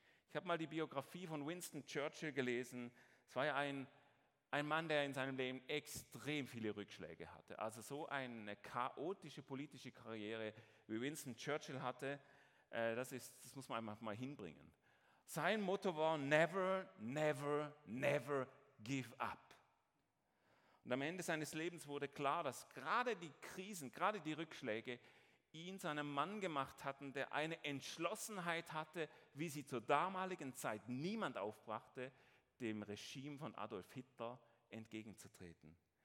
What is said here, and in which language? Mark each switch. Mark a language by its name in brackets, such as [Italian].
[German] Ich habe mal die Biografie von Winston Churchill gelesen. Es war ja ein Mann, der in seinem Leben extrem viele Rückschläge hatte. Also so eine chaotische politische Karriere, wie Winston Churchill hatte, das muss man einfach mal hinbringen. Sein Motto war, [English] never, never, never give up. [German] Und am Ende seines Lebens wurde klar, dass gerade die Krisen, gerade die Rückschläge ihn zu einem Mann gemacht hatten, der eine Entschlossenheit hatte, wie sie zur damaligen Zeit niemand aufbrachte, dem Regime von Adolf Hitler entgegenzutreten.